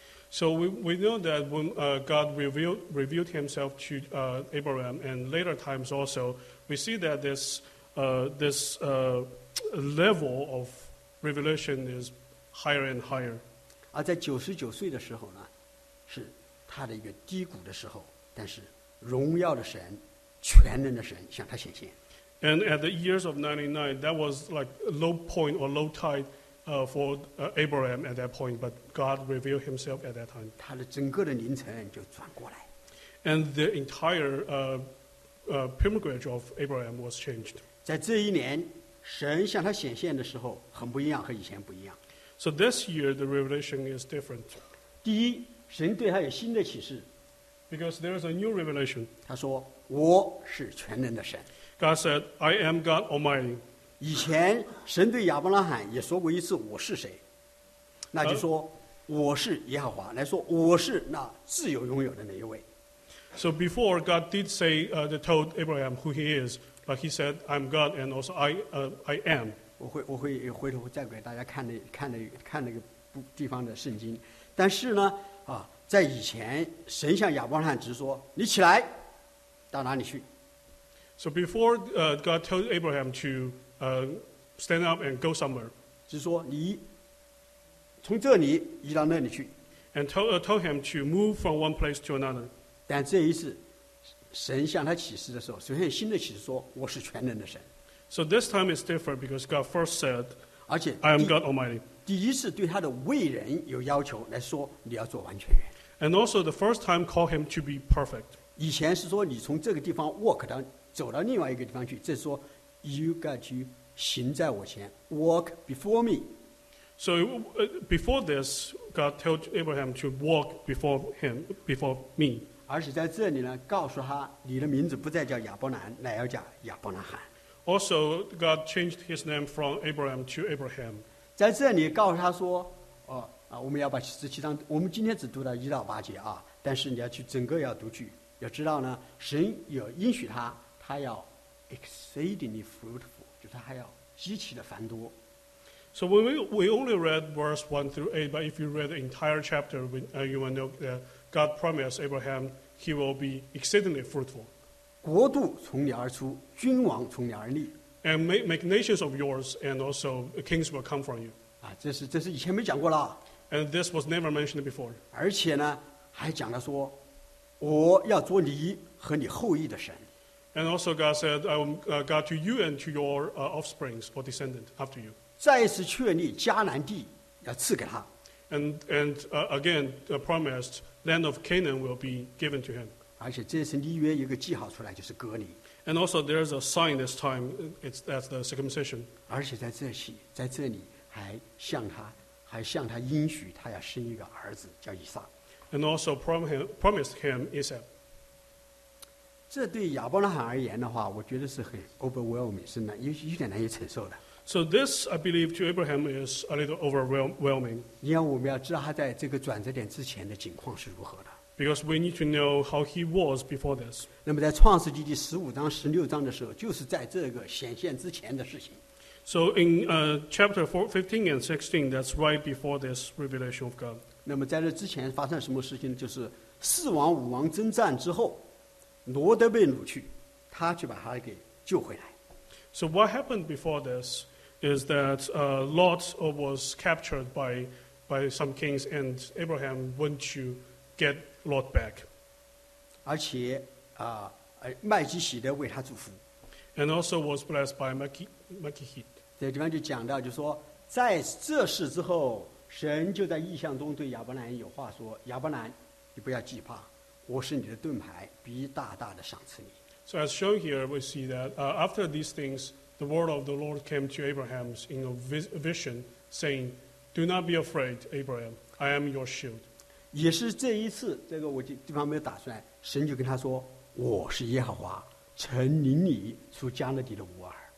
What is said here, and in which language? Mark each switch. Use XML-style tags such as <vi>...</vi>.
<en>So we know that when God revealed himself to Abraham and later times also, we see that this level of revelation is higher and higher.</en> <zh>而在九十九岁的时候呢，是他的一个低谷的时候，但是荣耀的神，全能的神向他显现。</zh> <en>And at the years of 99, that was like a low point or low tide. For Abraham at that point, but God revealed himself at that time.</en> <zh>他的整个的灵程就转过来。</zh> <en>And the entire pilgrimage of Abraham was changed.</en> <zh>在这一年，神向他显现的时候，很不一样，和以前不一样。</zh> <en>So this year, the revelation is different.</en> <zh>第一，神对他有新的启示。</zh> <en>Because there is a new revelation.</en> <zh>他说，我是全能的神。</zh> <en>God said, I am God Almighty.</en> <zh>以前神对亚伯拉罕也说过一次我是谁，那就说我是耶和华，来说我是那自由拥有的那一位。</zh> <en>So before God did say, they told Abraham who he is, but he said, I'm God and also I am.</en> <zh>我会回头再给大家看那个地方的圣经。但是呢，在以前神向亚伯拉罕只说你起来到哪里去。</zh> <en>So before God told Abraham to stand up and go somewhere,</en> <zh>只说你从这里移到那里去。</zh> <en>And told him to move from one place to another.</en> <zh>但这一次神向他启示的时候，首先新的启示说我是全能的神。</zh> <en>So this time is different because God first said, I am God Almighty.</en> <zh>第一次对他的为人有要求，来说你要做完全人。</zh> <en>And also the first time called him to be perfect.</en> <zh>以前是说你从这个地方 walk 到走到另外一个地方去，这是说</zh> <en>you got to</en> <zh>行在我前</zh> <en>walk before me. So before this, God told Abraham to walk before him, before me.</en> <zh>而且在这里呢，告诉他你的名字不再叫亚伯兰，乃要叫亚伯拉罕。</zh> <en>Also, God changed his name from Abraham to Abraham.</en> <zh>在这里告诉他说，我们要把十七章，我们今天只读到一到八节啊，但是你要去整个要读去，要知道呢，神有应许他。他要</zh> <en>exceedingly fruitful,</en> <zh>就是他要极其的繁多。</zh> <en>So when we only read verse 1 through 8, but if you read the entire chapter, you will know that God promised Abraham he will be exceedingly fruitful.</en> <zh>国度从你而出，君王从你而立。</zh> <en>And make nations of yours, and also kings will come from you.</en> <zh>这是以前没讲过了。</zh> <en>And this was never mentioned before.</en> <zh>而且呢，还讲了说，我要做你和你后裔的神。</zh> <en>And also God said, I will God to you and to your offsprings or descendant after you.</en> <zh>再次确立迦南地要赐给他。</zh> <en>And again, promised land of Canaan will be given to him.</en> <zh>而且这次立约一个记号出来就是割礼。</zh> <en>And also there is a sign this time, it's that's the circumcision.</en> <zh>而且在这里还向他应许他要生一个儿子叫以撒。</zh> <en>And also promised him Isaac.</en> <zh>这对亚伯拉罕而言的话，我觉得是很 overwhelming， 是难，有点难以承受的。</zh> <en>So this, I believe, to Abraham is a little overwhelming.</en> <zh>因为我们要知道他在这个转折点之前的境况是如何的。</zh> <en>Because we need to know how he was before this.</en> <zh>那么在创世纪第十五章、十六章的时候，就是在这个显现之前的事情。</zh> <en>So in chapter 15 and 16, that's right before this revelation of God.</en> <zh>那么在这之前发生什么事情呢？就是四王五王征战之后。罗德被掳去，他去把他给救回来。</zh> <en>So what happened before this is that Lot was captured by some kings, and Abraham went to get Lot back.</en> <zh>而且麦基洗德为他祝福。</zh> <en>And also was blessed by Melchizedek.</en> <zh>这地方就讲到，就说在这事之后，神就在异象中对亚伯兰有话说：“亚伯兰，你不要惧怕。” 我是你的盾牌，必大大的赏赐你。</zh> <en>So as shown here, we see that after these things, the word of the Lord came to Abraham in a vision, saying, "Do not be afraid, Abraham. I am your shield."</en> <zh>也是这一次，这个我地方没有打出来，神就跟他说，我是耶和华，曾领你出迦南地的乌尔。</zh>